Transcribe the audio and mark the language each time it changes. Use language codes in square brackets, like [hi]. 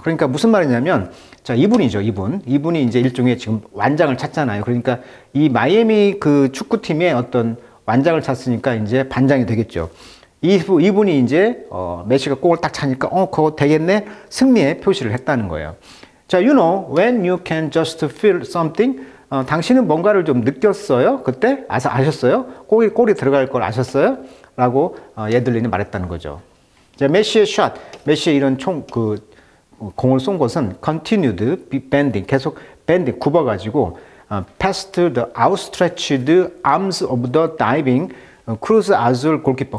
[ko] 그러니까 무슨 말이냐면, 자, 이분이죠, 이분. 이분이 이제 일종의 지금 완장을 찾잖아요. 그러니까 이 마이애미 그 축구팀의 어떤 완장을 찾으니까 이제 반장이 되겠죠. 이분이 이제 메시가 공을 딱 차니까 그거 되겠네, 승리의 표시를 했다는 거예요. [en] 자, you know when you can just feel something. [ko] 당신은 뭔가를 좀 느꼈어요? 그때? 아셨어요? 골이 들어갈 걸 아셨어요? 라고 예들린이 말했다는 거죠. 자, 메시의 샷, 메시의 이런 공을 쏜 것은 [en] continued bending, [ko] 계속 [en] bending, [ko] 굽어가지고 [en] past the outstretched arms of the diving Cruz Azul goalkeeper.